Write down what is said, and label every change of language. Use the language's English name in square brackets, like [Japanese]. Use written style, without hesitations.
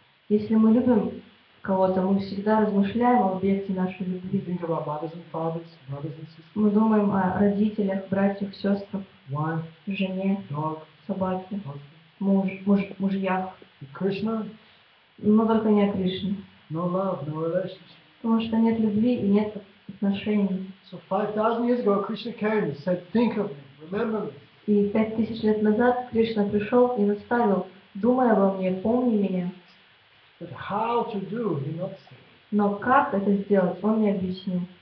[Russian] Если мы любим кого-то, мы всегда размышляем о объекте нашей любви. [English] We think about mothers and fathers, brothers and sisters. [Russian] Мы думаем о родителях, братьях, сестрах, [English] wife, [Russian] жене, [English] dog, [Russian] собаке, мужьях. Krishna, но только не о Кришне. [English] No love, no relationship. [Russian] Потому что нет любви и нет отношений. [English] So 5,000 years ago, Krishna came and said, "Think of me, remember me." [Russian] И 5,000 лет назад Кришна пришел и наставил, думай обо мне, помни меня. [English] But how to do, he not said. [Russian] Но как это сделать, он мне объяснил.